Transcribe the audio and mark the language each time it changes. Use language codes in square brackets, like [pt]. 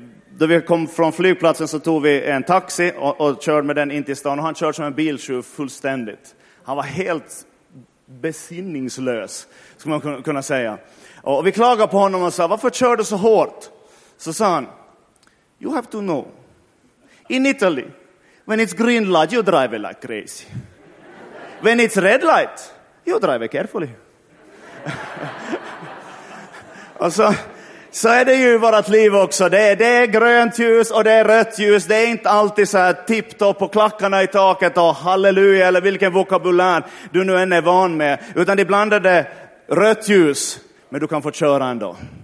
[sv] Då vi kom från flygplatsen så tog vi en taxi och körde med den in till stan. Och han körde som en biltjuv fullständigt. Han var helt besinningslös, skulle man kunna säga. Och vi klagade på honom och sa, varför kör du så hårt? Så sa han, [en] you have to know. In Italy, when it's green light, you drive like crazy. When it's red light, you drive carefully. [sv] Och så är det ju vårt liv också. Det är grönt ljus och det är rött ljus. Det är inte alltid så här tipptopp och klackarna i taket och halleluja eller vilken vokabulär du nu än är van med. Utan ibland är det rött ljus, men du kan få köra ändå.